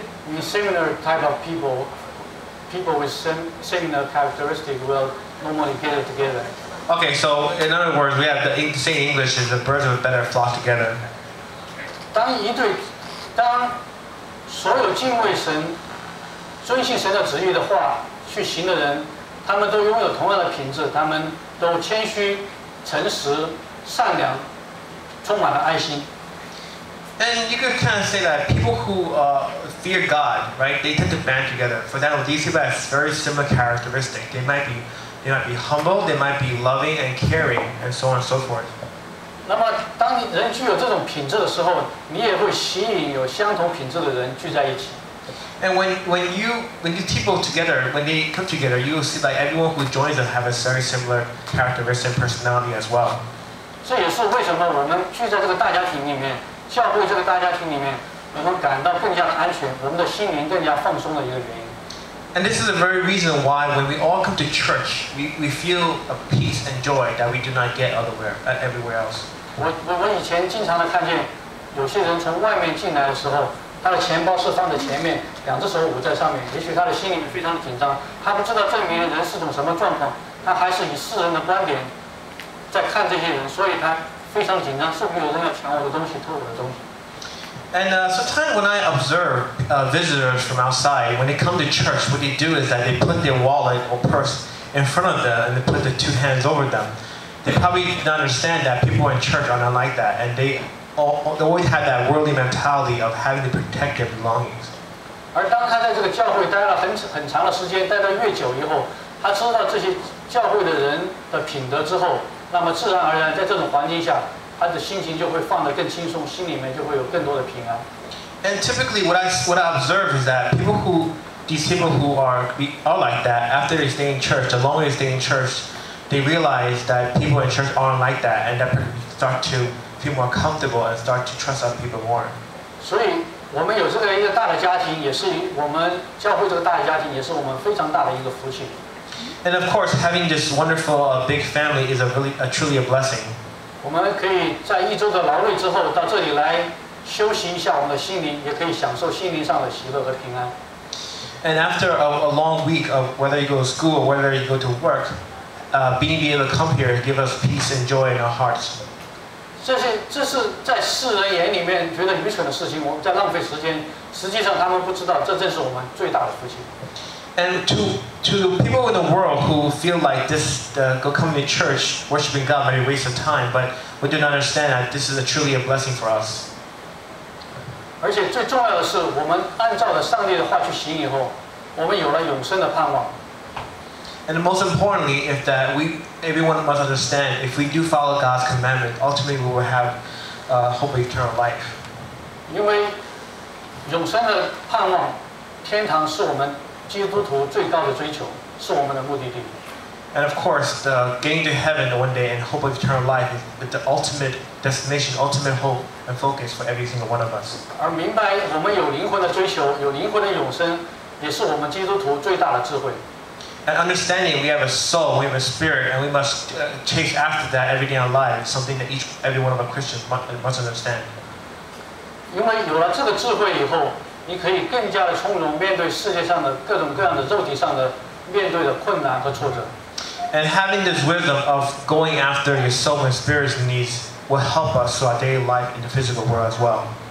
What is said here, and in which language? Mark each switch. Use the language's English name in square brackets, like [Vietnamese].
[English] In similar type of people with similar characteristics will normally get it together. Okay, so in other words, we have the saying in English is the birds of a better flock together. [Chinese] 当所有敬畏神遵行神的旨意的话去行的人，他们都拥有同样的品质，他们都谦虚、诚实、善良，充满了爱心。 [English] And you could kind of say that people who fear God, right? They tend to band together. For example, these people have very similar characteristics. They might be humble, they might be loving and caring, and so on and so forth. [Chinese] 那么，当人具有这种品质的时候，你也会吸引有相同品质的人聚在一起。 [English] And when you people together, when they come together, you will see that everyone who joins them have a very similar characteristic and personality as well. [Chinese] 这也是为什么我们聚在这个大家庭里面，教会这个大家庭里面，我们感到更加的安全，我们的心灵更加放松的一个原因。 [English] And this is the very reason why when we all come to church, we feel a peace and joy that we do not get everywhere else. [Chinese] 我以前经常的看见，有些人从外面进来的时候。他的钱包是放在前面，两只手捂在上面。也许他的心里非常的紧张，他不知道这里面人是种什么状况，他还是以世人的观点在看这些人，所以他非常紧张，是不是有人要抢我的东西、偷我的东西 [English] ？And sometimes when I observe visitors from outside, when they come to church, what they do is that they put their wallet or purse in front of them and they put the two hands over them. They probably don't understand that people in church are not like that, and they always had that worldly mentality of having to protect their belongings. [Chinese] 而当他在这个教会待了 很长的时间，待到越久以后，他知道这些教会的人的品德之后，那么自然而然在这种环境下，他的心情就会放得更轻松，心里面就会有更多的平安。 [English] And typically, what I observe is that people who are like that, after they stay in church, the longer they stay in church, they realize that people in church aren't like that, and that start to feel more comfortable and start to trust other people more. [Chinese] 所以我们有这个一个大的家庭，也是我们教会这个大的家庭，也是我们非常大的一个福气。 [English] And of course, having this wonderful big family is truly a blessing. [Chinese] 我们可以在一周的劳累之后到这里来休息一下我们的心灵，也可以享受心灵上的喜乐和平安。 [English] And after a long week of whether you go to school or whether you go to work, being able to come here gives us peace and joy in our hearts. [Chinese] 这是在世人眼里面觉得愚蠢的事情，我们在浪费时间。实际上，他们不知道，这正是我们最大的福气。 [English] And to people in the world who feel like this, go come to church, worshiping God, might be a waste of time, but we do not understand that this is truly a blessing for us. [Chinese] 而且最重要的是，我们按照着上帝的话去行以后，我们有了永生的盼望。 [English] And most importantly, is that everyone must understand, if we do follow God's commandment, ultimately we will have hope of eternal life. [Chinese] 因为永生的盼望，天堂是我们基督徒最高的追求，是我们的目的地。 [English] And of course, the getting to heaven one day and hope of eternal life is the ultimate destination, ultimate hope and focus for every single one of us. [Chinese] 而明白我们有灵魂的追求，有灵魂的永生，也是我们基督徒最大的智慧。 [English] And understanding we have a soul, we have a spirit, and we must chase after that every day in our lives, something that every one of our Christians must understand. And having this wisdom of going after your soul and spirit's needs will help us through our daily life in the physical world as well.